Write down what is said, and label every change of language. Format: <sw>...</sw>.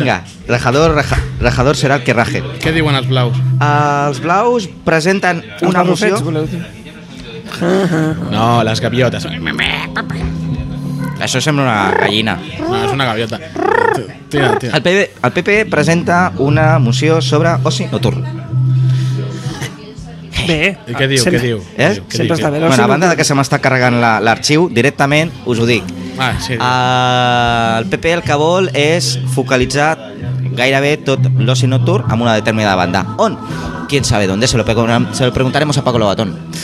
<es>Venga, rajador, rajador será el que raje.</es> <ca>¿Qué diuen els blaus? Els blaus presenten una moció. No, les gaviotes. Això sembla una gallina. No, és una gaviota. Tira. El PP presenta una moció sobre oci nocturn. Bé. I què diu? Sempre, què diu? Eh? Sempre està bé. Bueno, a banda de que se m'està carregant l'arxiu, directament us ho dic. Sí. El PP el que vol és focalitzar gairebé tot l'oci nocturn en una determinada banda. On?</ca> <es>Quién sabe dónde, se lo preguntaremos a Paco Lobatón.</es>